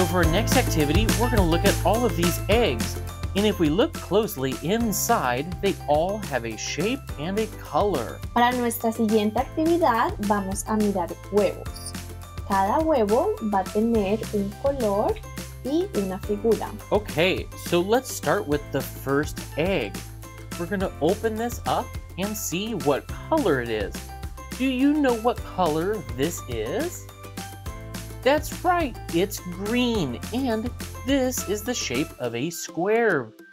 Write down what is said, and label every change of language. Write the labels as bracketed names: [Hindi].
[English] Next activity, we're going to look at all of these eggs, and if we look closely inside, they all have a shape and a color. [Spanish] Para nuestra siguiente actividad, vamos a mirar huevos. Cada huevo va a tener un color y una figura. [English] Okay, so let's start with the first egg. We're going to open this up and see what color it is. Do you know what color this is? That's right, it's green, and this is the shape of a square.